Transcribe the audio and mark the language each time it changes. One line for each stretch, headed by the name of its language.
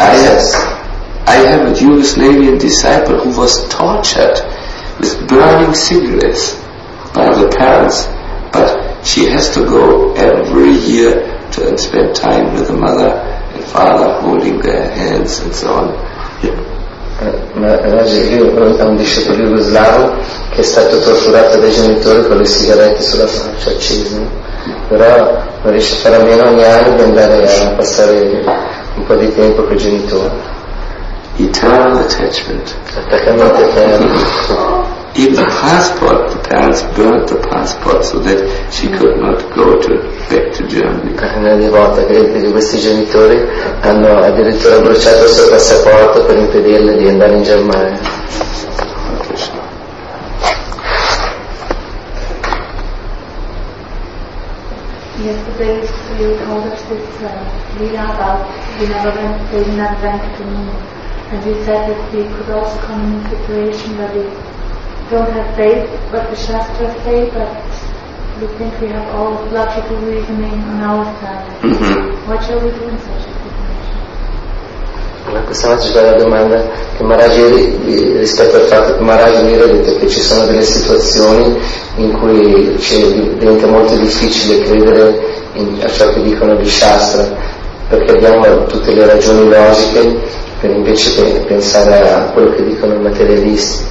English: I have a Yugoslavian disciple who was tortured with burning cigarettes by the parents, but she has to go every year to spend time with the mother and father holding their hands and so on.
Italian: Ma un discepolo yugoslavo che è stato torturato dai genitori con le sigarette sulla faccia accese, però non riesce a fare a meno ogni anno di andare a passare un po' di tempo con i genitori.
English: Eternal attachment.
Italian: Attaccamento eterno.
English: Even the passport, the parents burnt the passport so that she could not go back to Germany.
Italian: Ogni volta che questi genitori hanno addirittura bruciato il suo passaporto per impedirle di andare in Germania.
English: Yesterday we told us with Lina about the inadvertent meaning, and we said that we could also come in a situation where we don't have faith, but the Shastra say, but we think we have all logical reasoning on our side. What shall we do in such a situation?
Italian: Questa è una bella domanda che Maharaj, rispetto al fatto che Maharaj mi ha detto che ci sono delle situazioni in cui diventa molto difficile credere a ciò che dicono di Shastra, perché abbiamo tutte le ragioni logiche per invece pensare a quello che dicono i materialisti.